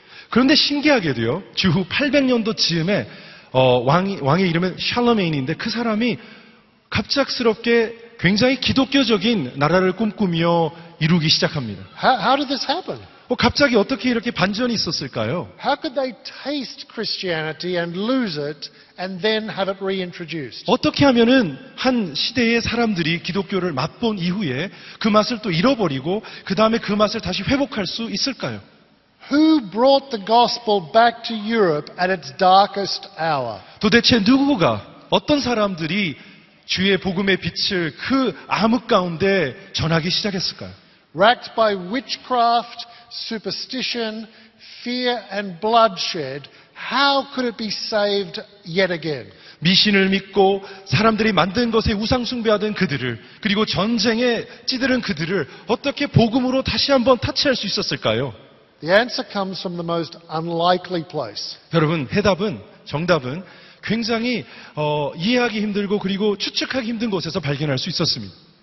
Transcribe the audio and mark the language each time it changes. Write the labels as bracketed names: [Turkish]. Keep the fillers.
[Korean] 그런데 신기하게도요, 주후 800년도 즈음에 어, 왕의 이름은 샬러메인인데 그 사람이 갑작스럽게 굉장히 기독교적인 나라를 꿈꾸며 이루기 시작합니다. [English] How, how did this happen? [Korean] 뭐 갑자기 어떻게 이렇게 반전이 있었을까요? [English] How could they taste Christianity and lose it and then have it reintroduced? [Korean] 어떻게 하면은 한 시대의 사람들이 기독교를 맛본 이후에 그 맛을 또 잃어버리고 그 다음에 그 맛을 다시 회복할 수 있을까요? [English] Who brought the gospel back to Europe at its darkest hour? [Korean] 도대체 누구가 어떤 사람들이 주의 복음의 빛을 그 암흑 가운데 전하기 시작했을까요? [English] Racked by witchcraft, superstition, fear and bloodshed, how could it be saved yet again? [Korean] 미신을 믿고 사람들이 만든 것에 우상숭배하던 그들을 그리고 전쟁에 찌들은 그들을 어떻게 복음으로 다시 한번 터치할 수 있었을까요? [English] The answer comes from the most unlikely place. [Korean] 여러분, 해답은 정답은 굉장히 어, 이해하기 힘들고 그리고 추측하기 힘든 곳에서 발견할 수 있었습니다.